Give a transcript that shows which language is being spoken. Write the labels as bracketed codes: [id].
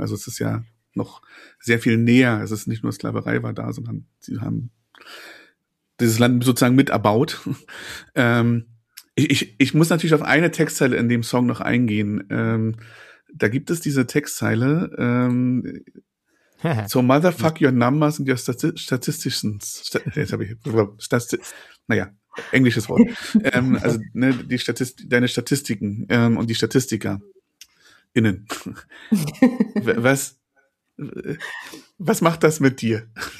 [de] Also es ist ja noch sehr viel näher. Es ist nicht nur Sklaverei war da, sondern sie haben dieses Land sozusagen mit erbaut. Ich muss natürlich auf eine Textzeile in dem Song noch eingehen. Da gibt es diese Textzeile. [en] So motherfuck your numbers and your statisticians. [de] Jetzt habe ich englisches Wort. Also ne, die deine Statistiken und die Statistiker innen. Was macht das mit dir?